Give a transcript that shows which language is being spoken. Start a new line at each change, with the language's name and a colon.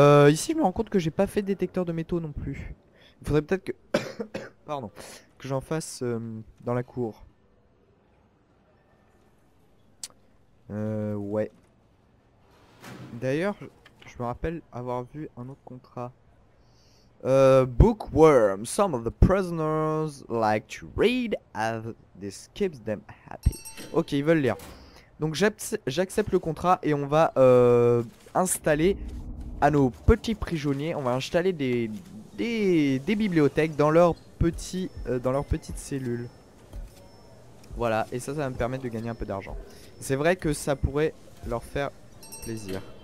French: Ici, je me rends compte que j'ai pas fait de détecteur de métaux non plus. Il faudrait peut-être que... Pardon. Que j'en fasse dans la cour. Ouais. D'ailleurs, je me rappelle avoir vu un autre contrat.
English: Bookworm. Some of the prisoners like to read as this keeps them happy.
French: Ok, ils veulent lire. Donc j'accepte le contrat et on va installer à nos petits prisonniers, on va installer des bibliothèques dans leur petite cellule. Voilà, et ça va me permettre de gagner un peu d'argent. C'est vrai que ça pourrait leur faire plaisir.